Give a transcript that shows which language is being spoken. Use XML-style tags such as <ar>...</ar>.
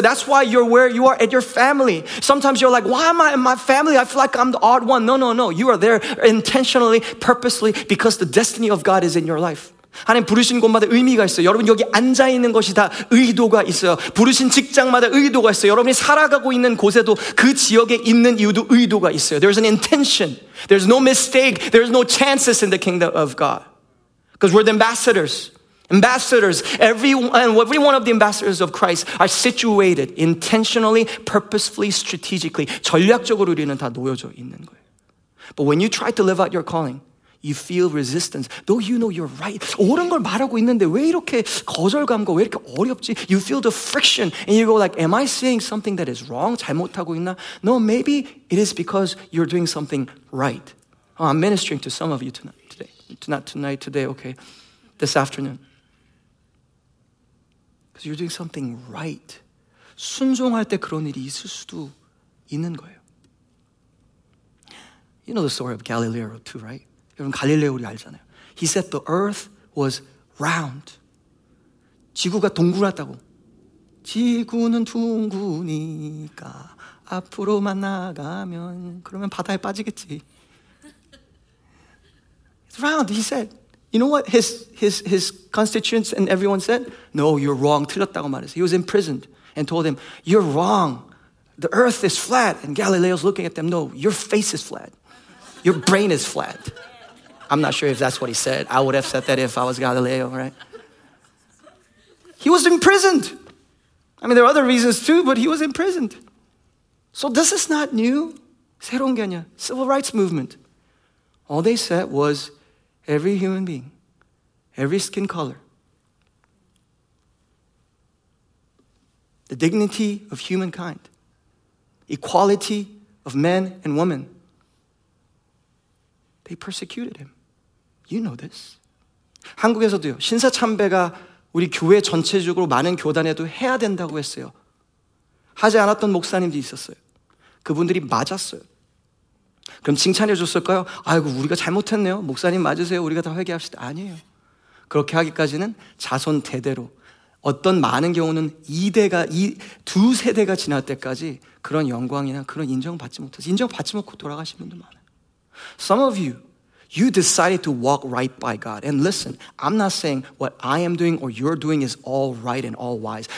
<en>That's why you're where you are at your family. Sometimes you're like, why am I in my family? I feel like I'm the odd one. No, no, no. You are there intentionally, purposely, because the destiny of God is in your life.</en> <ko>하나님 부르신 곳마다 의미가 있어요. 여러분 여기 앉아있는 것이 다 의도가 있어요. 부르신 직장마다 의도가 있어요. 여러분이 살아가고 있는 곳에도 그 지역에 있는 이유도 의도가 있어요.</ko> <en>There's an intention. There's no mistake. There's no chances in the kingdom of God. Because we're the ambassadors. Ambassadors, every one of the ambassadors of Christ are situated intentionally, purposefully, strategically.</en> <ko>전략적으로 우리는 다 놓여져 있는 거예요.</ko> <en>But when you try to live out your calling, you feel resistance. Though you know you're right.</en> <ko>옳은 걸 말하고 있는데 왜 이렇게 거절감과 왜 이렇게 어렵지?</ko> <en>You feel the friction and you go like, am I saying something that is wrong?</en> <ko>잘못하고 있나?</ko> <en>No, maybe it is because you're doing something right. Oh, I'm ministering to some of you today, this afternoon. Because you're doing something right.</en> <ko>순종할 때 그런 일이 있을 수도 있는 거예요.</ko> <en>You know the story of Galileo too, right?</en> <ko>여러분 갈릴레오 우리 알잖아요.</ko> <en>He said the earth was round.</en> <ko>지구가 동그랗다고. 지구는 둥그니까 앞으로만 나가면 그러면 바다에 빠지겠지.</ko> <en>It's round, he said. You know what his constituents and everyone said? No, you're wrong.</en> <ko>틀렸다고 말했어.</ko> <en>He was imprisoned and told him, you're wrong. The earth is flat. And Galileo's looking at them. No, your face is flat. Your brain is flat. I'm not sure if that's what he said. I would have said that if I was Galileo, right? He was imprisoned. I mean, there are other reasons too, but he was imprisoned. So this is not new.</en> <ko>새로운 게 아니야.</ko> <en>Civil rights movement. All they said was, every human being, every skin color, the dignity of humankind, equality of men and women, they persecuted him. You know this.</en> <ko>한국에서도요, 신사참배가 우리 교회 전체적으로 많은 교단에도 해야 된다고 했어요. 하지 않았던 목사님도 있었어요. 그분들이 맞았어요. 그럼 칭찬해 줬을까요? 아이고 우리가 잘못했네요. 목사님 맞으세요. 우리가 다 회개합시다. 아니에요. 그렇게 하기까지는 자손 대대로 어떤 많은 경우는 두 세대가 지날 때까지 그런 영광이나 그런 인정을 받지 못해서 인정받지 못하고 돌아가신 분도 많아요.</ko> <en>Some of you, you decided to walk right by God. And listen, I'm not saying what I am doing or you're doing is all right and all wise.</en>